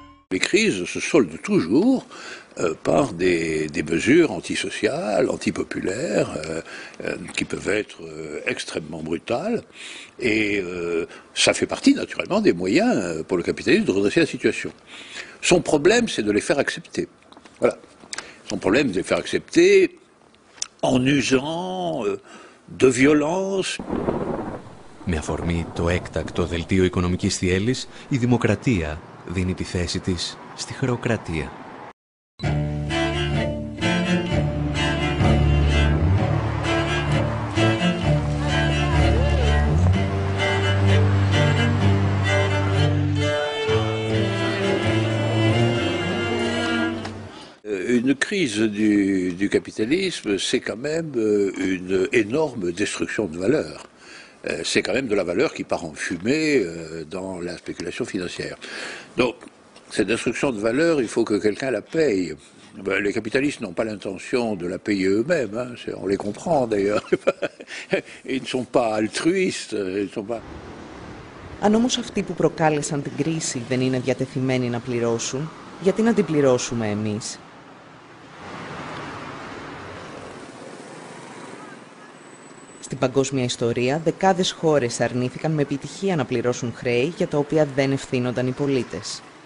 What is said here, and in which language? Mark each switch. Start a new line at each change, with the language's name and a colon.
French: Les crises se soldent toujours par des mesures antisociales, antipopulaires, qui peuvent être extrêmement brutales. Et ça fait partie naturellement des moyens pour le capitalisme de redresser la situation. Son problème, c'est de les faire accepter. Voilà. Son problème, c'est de les faire accepter en usant de violence.
Greek: Με αφορμή το έκτακτο δελτίο οικονομικής θυέλης, η δημοκρατία δίνει τη θέση της στη χρεοκρατία.
French: Une crise du capitalisme, c'est quand même une énorme destruction de valeur. C'est quand même de la valeur qui part en fumée dans la spéculation financière. Donc, cette destruction de valeur, il faut que quelqu'un la paye. Ben, les capitalistes n'ont pas l'intention de la payer eux-mêmes, hein. On les comprend d'ailleurs. Ils ne sont pas altruistes. Ils sont pas...
Greek: Αν όμως αυτοί που προκάλεσαν την κρίση δεν είναι διατεθειμένοι να πληρώσουν, γιατί να την πληρώσουμε εμείς? Στην παγκόσμια ιστορία, δεκάδες χώρες αρνήθηκαν με επιτυχία να πληρώσουν χρέη για τα οποία δεν ευθύνονταν οι πολίτες.